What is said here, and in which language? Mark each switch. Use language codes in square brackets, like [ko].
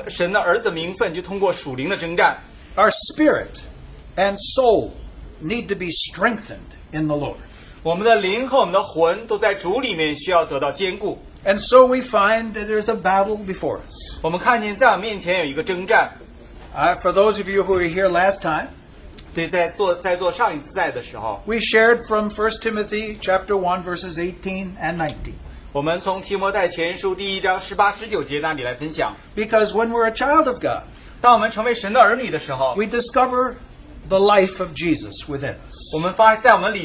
[zh] 我们能够一方面成长成神的儿子名分就通过属灵的征战。 [en] Our spirit and soul need to be strengthened in the Lord. [zh] 我们的灵和我们的魂都在主里面需要得到坚固。 [en] And so we find that there's a battle before us. [zh] 我们看见在我面前有一个征战。 [en] For those of you who were here last time, [zh] 对，在做上一次在的时候, [en] we shared from 1 Timothy chapter 1 verses 18 and 19. [zh] 我们从提摩太前书第一章18-19节那里来分享。 [en] Because when we're a child of God, [zh] 当我们成为神的儿女的时候, [en] we discover the life of Jesus within us.